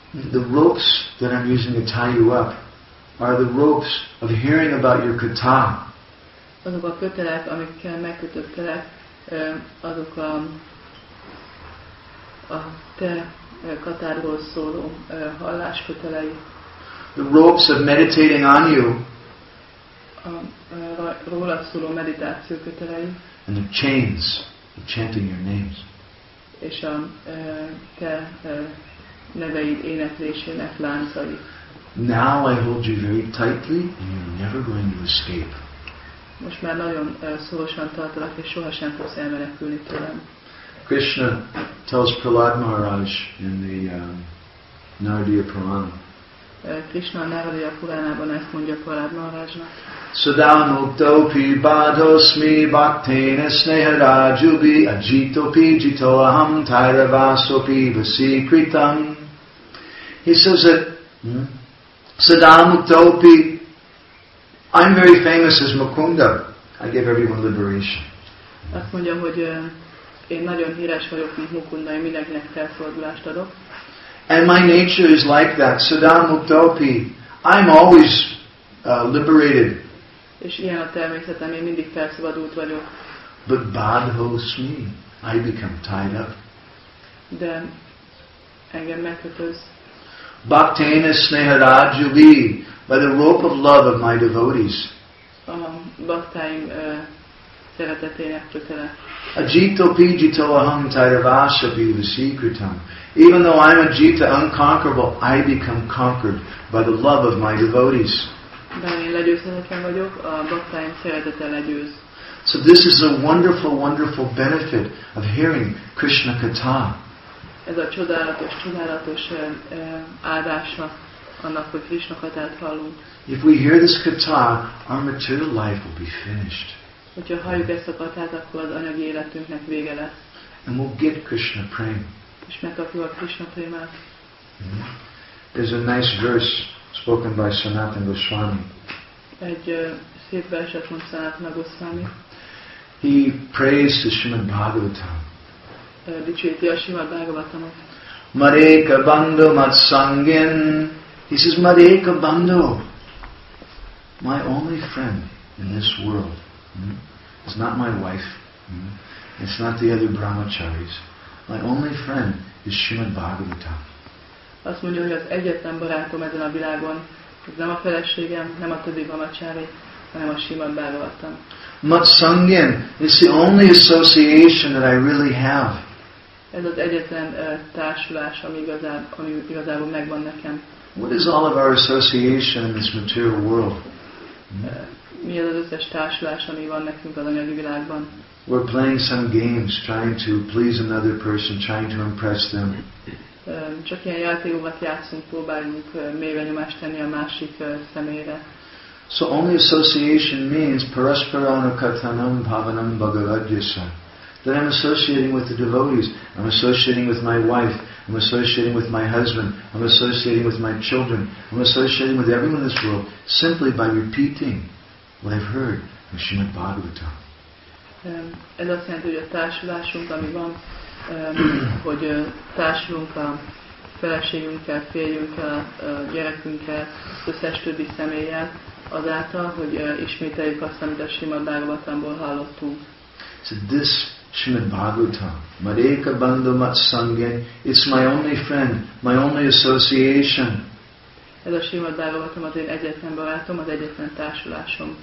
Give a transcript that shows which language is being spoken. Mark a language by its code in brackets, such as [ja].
[en] The ropes that I'm using to tie you up are the ropes of hearing about your katha. [hu] Azok a kötelek, amikkel megkötöttelek, azok a te katáról szóló hallás kötelei. [en] The ropes of meditating on you. [hu] A rólad szóló meditáció kötelei. [en] And the chains of chanting your names. [hu] És a te neveid éneklésének láncai. [en] Now I hold you very tightly and you're never going to escape. [hu] Most már nagyon szorosan tartalak, és soha sem fogsz elmenekülni tőlem. [en] Krishna tells Prahlad Maharaj in the Naradiya Purana. [hu] Krishna a Naradiya Puranában ezt mondja Prahlad Maharajnak. [sa] Sudhamuktopi badosmi bhaktena sneharajubi ajitopi jitoaham tairavasopi vasikritam. [en] He says that Sudhamuktopi, I'm very famous as Mukunda. I give everyone liberation. [hu] Azt mondja, hogy én nagyon híres vagyok, mint Mukunda, én mindenkinek felszabadulást adok. [en] And my nature is like that, Sadamuktopi. I'm always liberated. [hu] És ilyen a természetem, én mindig felszabadult vagyok. [en] But badhosmi, I become tied up. [hu] De engem megkötöz. [sa] Bhaktena sneharajubi, [en] by the rope of love of my devotees. [hu] Bhaktáim szeretetének kötele. [sa] Ajitopi jitoaham tairavasabhi vasikritam. [en] Even though I'm ajita, unconquerable, I become conquered by the love of my devotees. [hu] Bár én legyőzhetetlen vagyok, a bhaktáim szeretete legyőz. [en] So this is a wonderful, wonderful benefit of hearing Krishna katha. [hu] Ez a csodálatos, csodálatos áldása annak, hogy Krishna katát hallunk. [en] If we hear this katha, our material life will be finished. [hu] Hogyha halljuk ezt a katát, akkor az anyagi életünknek vége lesz. [en] And we'll get Krishna prem. [hu] És megkapjuk a Krishna prémát. [en] There's a nice verse spoken by Sanatana Goswami. [hu] Egy szép verset mond Sanatana Goswami. [en] He prays to Srimad Bhagavatam. [hu] Dicsőíti a Srimad Bhagavatamot. [sa] Mareka bandho matsangin. [en] He says, [sa] Mareka bandho. [en] My only friend in this world is not my wife. It's not the other brahmacharis. My only friend is Srimad Bhagavatam. [hu] Azt mondja, hogy az egyetlen barátom ezen a világon, ez nem a feleségem, nem a többi brahmacari, hanem a Srimad Bhagavatam. [sa] Matsangin. [en] It's the only association that I really have. [hu] Ez az egyetlen társulás, ami igazából megvan nekem. [en] What is all of our association in this material world? [hu] Mi az az összes társulás, ami van nekünk az anyagi világban? [en] We're playing some games, trying to please another person, trying to impress them. [hu] Csak ilyen játékokat játszunk, próbáljuk mélyre nyomást tenni a másik személyre. [en] So only association means [sa] paraspara anukathanam bhavanam bhagavadyasa. [en] That I'm associating with the devotees, I'm associating with my wife, I'm associating with my husband, I'm associating with my children, I'm associating with everyone in this world, simply by repeating what I've heard from Srimad Bhagavatam. [hu] Ez azt jelenti, hogy a társulásunk, ami van, hogy társulunk a feleségünkkel, férjünkkel, gyerekünkkel, összes többi személlyel, azáltal, hogy ismételjük azt, amit a Srimad Bhagavatamból hallottunk. [en] So this Srimad Bhagavatam, [sa] Madeka Bandha Matsange, [en] it's my only friend, my only association. [hu] Ez a Srimad Bhagavatam az én egyetlen barátom, az egyetlen társulásom.